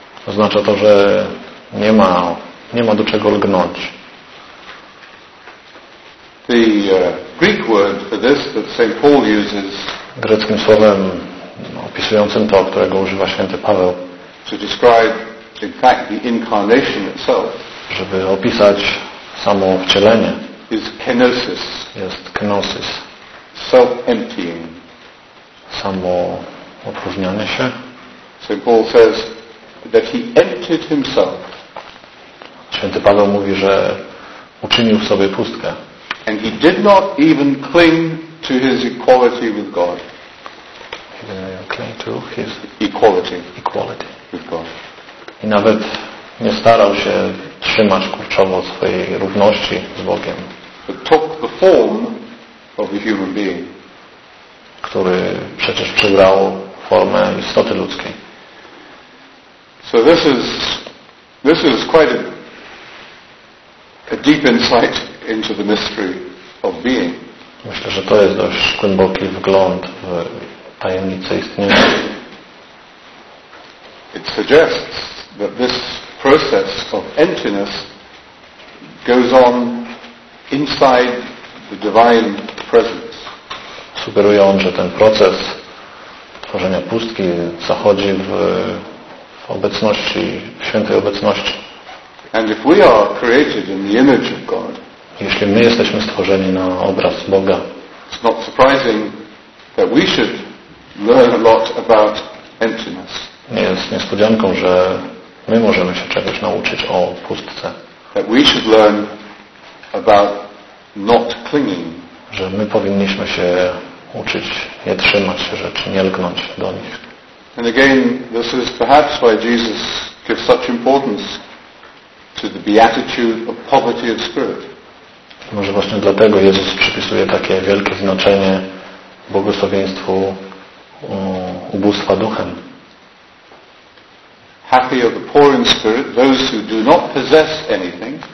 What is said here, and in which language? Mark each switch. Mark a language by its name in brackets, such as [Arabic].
[Polish] Oznacza to, że nie ma do czego lgnąć. [English] The Greek word for this that St. Paul uses. [Polish] Greckim słowem opisującym to, którego używa Święty Paweł. [English] To describe, in fact, the incarnation itself. [Polish] Żeby opisać samo wcielenie. [English] Is kenosis. [Polish] Jest kenosis. [English] Self-emptying. [Polish] Samo odróżnianie się. [English] St. Paul says that he emptied himself. [Polish] Święty Paweł mówi, że uczynił w sobie pustkę. [English] And he did not even cling to his equality with God. Cling to his equality with God. [Polish] I nawet nie starał się trzymać kurczowo swojej równości z Bogiem. [English] But took the form of a human being. [Polish] Który przecież przybrał formę istoty ludzkiej. [English] So this is quite a deep insight into the mystery of being. [Polish] Myślę, że to jest dość głęboki wgląd w tajemnicę istnienia. [English] It suggests that this process of emptiness goes on inside the divine presence. [Polish] Sugeruje on, że ten proces tworzenia pustki zachodzi w obecności, w świętej obecności. [English] And if we are created in the image of God, [Polish] jeśli my jesteśmy stworzeni na obraz Boga, [English] it's not surprising that we should learn a lot about emptiness. [Polish] Nie jest niespodzianką, że my możemy się czegoś nauczyć o pustce. [English] That we should learn about not clinging. [Polish] Że my powinniśmy się uczyć nie trzymać się rzeczy, nie lgnąć do nich. [English] And again, this is perhaps why Jesus gives such importance to the beatitude of poverty of spirit. [Polish] Może właśnie dlatego Jezus przypisuje takie wielkie znaczenie błogosławieństwu ubóstwa duchem. [English] Happy are the poor in spirit, those who do not possess anything.